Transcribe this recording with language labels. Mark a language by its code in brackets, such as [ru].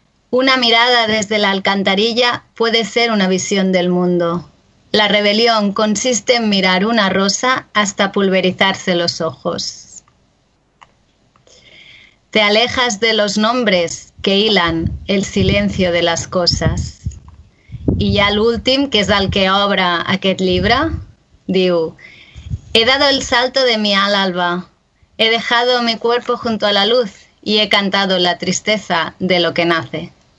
[es] Una mirada desde la alcantarilla puede ser una visión del mundo. La rebelión consiste en mirar una rosa hasta pulverizarse los ojos. Te alejas de los nombres que hilan el silencio de las cosas. [ca] I ja l'últim, que és el que obre aquest llibre, diu [es] He dado el salto de mi ala alba. He dejado mi cuerpo junto a la luz y he cantado la tristeza de lo que nace.